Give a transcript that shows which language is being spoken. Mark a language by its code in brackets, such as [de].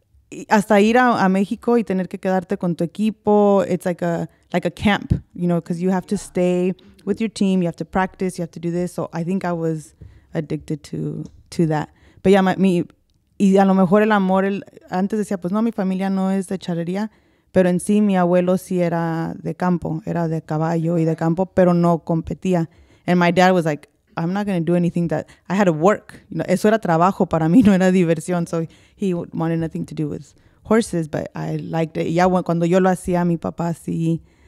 [es] Y hasta ir a México y tener que quedarte con tu equipo, [en] it's like a camp, you know, because you have to stay with your team, you have to practice, you have to do this. So I think I was addicted to that. But yeah, [es] y a lo mejor el amor, antes decía, pues no, mi familia no es de charrería, pero en sí mi abuelo sí era de campo, era de caballo y de campo, pero no competía. [en] And my dad was like, I'm not going to do anything that I had to work. You know, [es] eso era trabajo para mí, no era diversión. [en] So he wanted nothing to do with horses, but I liked it. Yeah, [es] cuando yo lo hacía, mi papá sí.